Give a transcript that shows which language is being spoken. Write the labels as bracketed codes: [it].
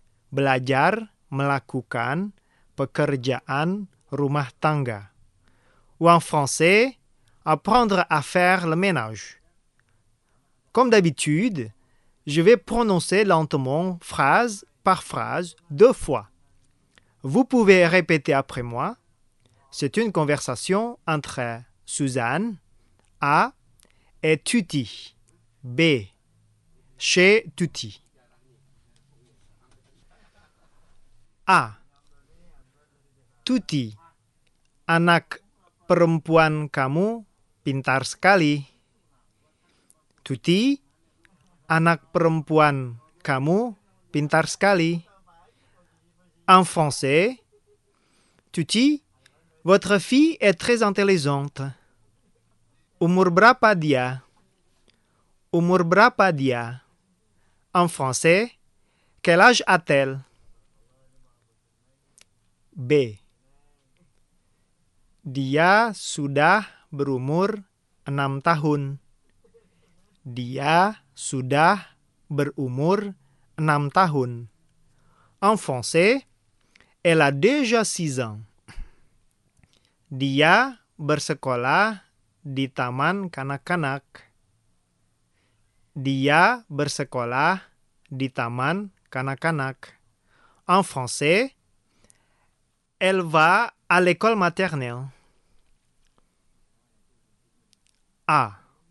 [id] Belajar melakukan pekerjaan rumah tangga. [fr] Ou en français, apprendre à faire le ménage. Comme d'habitude, je vais prononcer lentement phrase par phrase deux fois. Vous pouvez répéter après moi. C'est une conversation entre Suzanne, A, et Tuti, B, chez Tuti. A. [id] Tuti, anak perempuan kamu pintar sekali. Tuti, anak perempuan kamu pintar sekali. [fr] En français, Tuti, votre fille est très intelligente. [id] Umur berapa dia? Umur berapa dia? [fr] en français, quel âge a-t-elle? [id] B. Dia sudah berumur 6 tahun. Dia sudah berumur 6 tahun. [fr] En français, elle a déjà 6 ans. [id] Dia bersekolah di taman kanak-kanak. Dia bersekolah di taman kanak-kanak. [fr] En français, elle va à l'école maternelle. A.